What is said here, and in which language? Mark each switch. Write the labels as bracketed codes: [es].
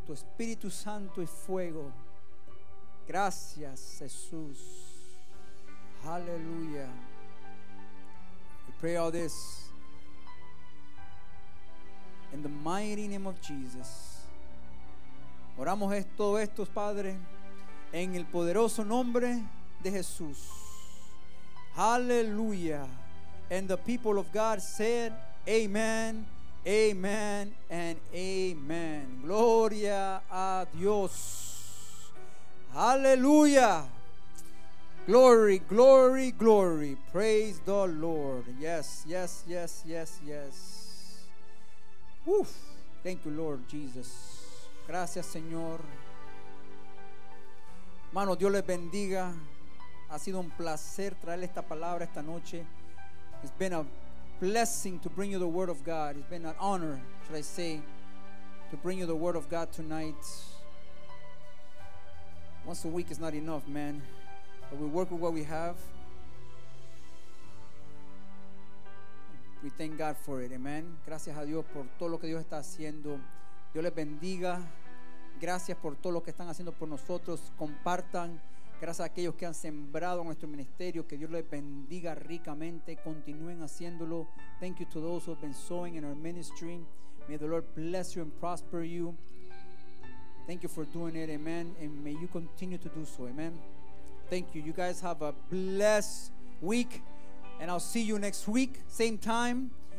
[es] Tu Espíritu Santo y fuego. Gracias, Jesús. Hallelujah. [en] We pray all this in the mighty name of Jesus. [es] Oramos todo esto, Padre, en el poderoso nombre de Jesús. [en] Hallelujah. And the people of God said, Amen, Amen, and Amen. [es] Gloria a Dios. [en] Aleluya. Glory, glory, glory. Praise the Lord. Yes, yes, yes, yes, yes. Uf. Thank you, Lord Jesus. [es] Gracias, Señor. Hermano, Dios les bendiga. Ha sido un placer traerle esta palabra esta noche. [en] It's been a blessing to bring you the word of God. It's been an honor, should I say, to bring you the word of God tonight. Once a week is not enough, man. But we work with what we have. We thank God for it, amen. [es] Gracias a Dios por todo lo que Dios está haciendo. Dios les bendiga. Gracias por todo lo que están haciendo por nosotros. Compartan. Gracias a aquellos que han sembrado en nuestro ministerio. Que Dios les bendiga ricamente. Continúen haciéndolo. [en] Thank you to those who have been sowing in our ministry. May the Lord bless you and prosper you. Thank you for doing it, amen. And may you continue to do so, amen. Thank you. You guys have a blessed week. And I'll see you next week, same time.